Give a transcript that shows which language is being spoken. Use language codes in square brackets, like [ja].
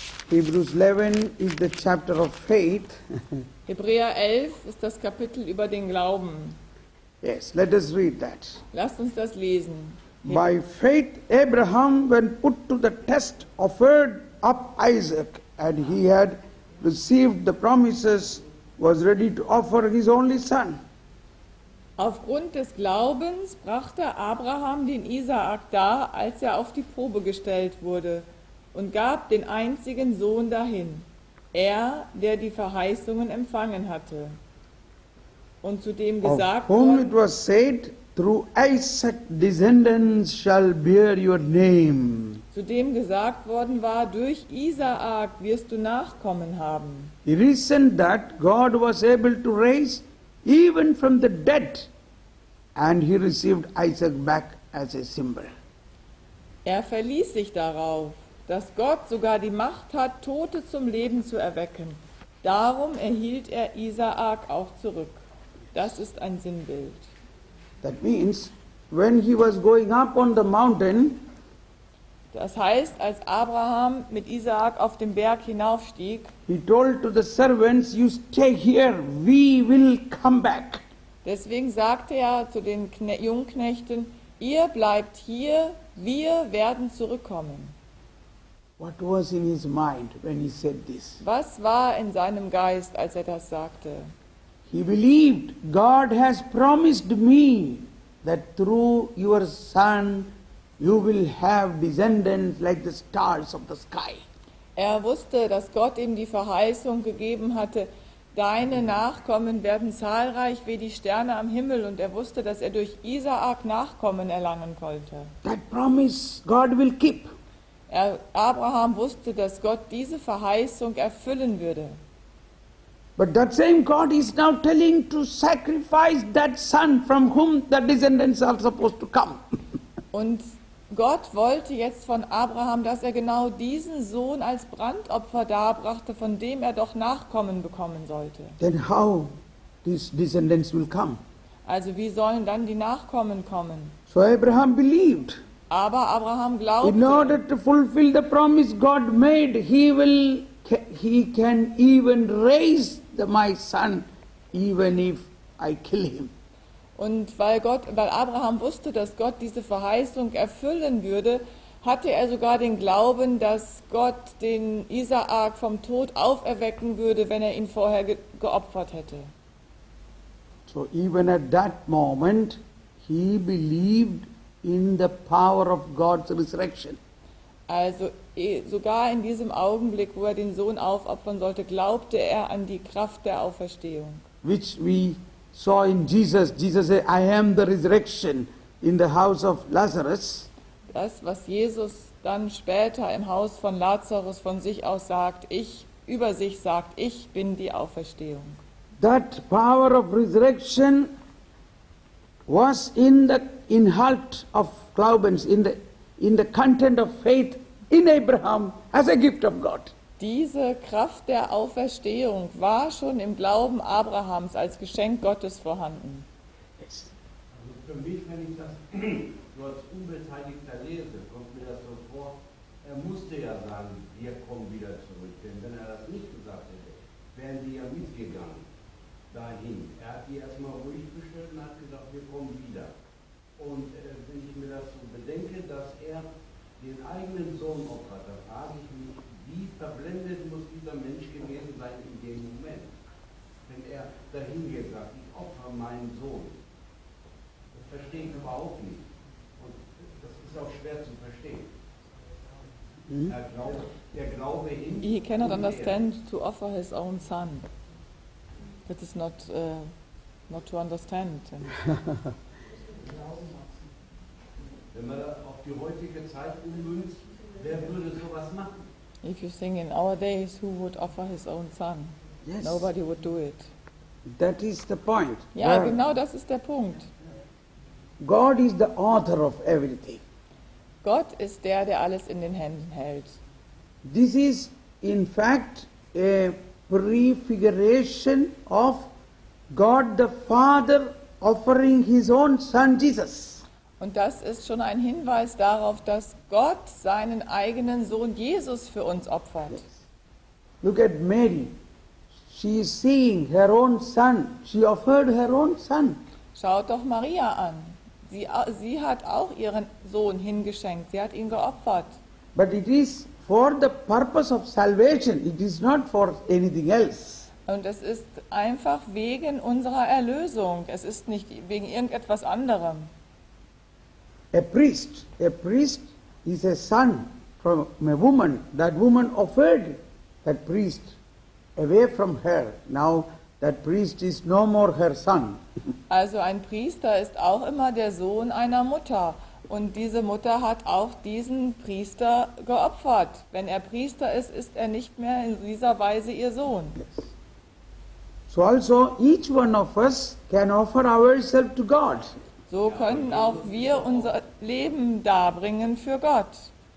[en] Hebrews 11 is the chapter of faith. [de] Hebräer 11 ist das Kapitel über den Glauben. [en] Yes, let us read that. [de] Lasst uns das lesen. [en] By faith Abraham, when put to the test, offered up Isaac, and he had received the promises, was ready to offer his only son. [de] Aufgrund des Glaubens brachte Abraham den Isaak dar, als er auf die Probe gestellt wurde, und gab den einzigen Sohn dahin, er, der die Verheißungen empfangen hatte. Und zudem gesagt [en] of whom it was said, through Isaac descendants shall bear your name. [de] Zudem gesagt worden war, durch Isaak wirst du Nachkommen haben. [en] The reason that God was able to raise even from the dead, and he received Isaac back as a symbol. [de] Er verließ sich darauf, dass Gott sogar die Macht hat, Tote zum Leben zu erwecken. Darum erhielt er Isaak auch zurück. Das ist ein Sinnbild. [en] That means, when he was going up on the mountain, [de] das heißt, als Abraham mit Isaak auf dem Berg hinaufstieg, [en] he told to the servants, you stay here, we will come back. [de] Deswegen sagte er zu den Jungknechten, ihr bleibt hier, wir werden zurückkommen. [en] What was in his mind when he said this? [de] Was war in seinem Geist, als er das sagte? [en] He believed God has promised me that through your son you will have descendants like the stars of the sky. [de] Er wusste, dass Gott ihm die Verheißung gegeben hatte, deine Nachkommen werden zahlreich wie die Sterne am Himmel, und er wusste, dass er durch Isaak Nachkommen erlangen konnte. [en] That promise God will keep. [de] Abraham wusste, dass Gott diese Verheißung erfüllen würde. [en] But that same God is now telling to sacrifice that son from whom the descendants are supposed to come. [de] Und Gott wollte jetzt von Abraham, dass er genau diesen Sohn als Brandopfer darbrachte, von dem er doch Nachkommen bekommen sollte. [en] Then how these descendants will come? [de] Also wie sollen dann die Nachkommen kommen? [en] So Abraham believed. [de] Aber Abraham glaubte. [en] In order to fulfill the promise God made, he can even raise my son, even if I kill him. [de] Und weil Abraham wusste, dass Gott diese Verheißung erfüllen würde, hatte er sogar den Glauben, dass Gott den Isaak vom Tod auferwecken würde, wenn er ihn vorher geopfert hätte. [en] So even at that moment, he believed in the power of God's resurrection. [de] Also sogar in diesem Augenblick, wo er den Sohn aufopfern sollte, glaubte er an die Kraft der Auferstehung. [en] Which we saw in Jesus. Jesus said, I am the resurrection in the house of Lazarus. [de] Das, was Jesus dann später im Haus von Lazarus von sich aus sagt, ich bin die Auferstehung. [en] That power of resurrection was in the [de] inhalt [en] of [de] Glaubens, [en] in the content of faith in Abraham as a gift of God. [de] Diese Kraft der Auferstehung war schon im Glauben Abrahams als Geschenk Gottes vorhanden. [en] Yes. [de] Also für mich, wenn ich das so als Unbeteiligter lese, kommt mir das so vor, er musste ja sagen, wir kommen wieder zurück. Denn wenn er das nicht gesagt hätte, wären die ja mitgegangen dahin. Er hat die erstmal ruhig gestellt und hat gesagt, wir kommen wieder. Und wenn ich mir das so bedenke, dass er den eigenen Sohn opfert, da frage ich mich, wie verblendet muss dieser Mensch gewesen sein in dem Moment, wenn er dahin gesagt, ich opfere meinen Sohn. Das verstehe ich überhaupt nicht. Und das ist auch schwer zu verstehen. Mhm. Der Glaube in... [en] He cannot understand to offer his own son. That is not, not to understand. [de] Wenn man das auf die heutige Zeit ummünzt, wer würde sowas machen? [en] If you think in our days, who would offer his own son? Yes. Nobody would do it. That is the point. Yeah, where [de] genau das ist der Punkt. [en] God is the author of everything. [de] Gott ist der, der alles in den Händen hält. [en] This is in fact a prefiguration of God the Father offering his own son Jesus. [de] Und das ist schon ein Hinweis darauf, dass Gott seinen eigenen Sohn Jesus für uns opfert. [en] Yes. Look at Mary. She is seeing her own son. She offered her own son. [de] Schaut doch Maria an. Sie hat auch ihren Sohn hingeschenkt. Sie hat ihn geopfert. [en] But it is for the purpose of salvation. It is not for anything else. [de] Und es ist einfach wegen unserer Erlösung. Es ist nicht wegen irgendetwas anderem. [en] A priest is a son from a woman. That woman offered that priest away from her. Now that priest is no more her son. [de] Also ein Priester ist auch immer der Sohn einer Mutter. Und diese Mutter hat auch diesen Priester geopfert. Wenn er Priester ist, ist er nicht mehr in dieser Weise ihr Sohn. [en] Yes. So also each one of us can offer ourselves to God. [de] So können auch wir unser Leben darbringen für Gott.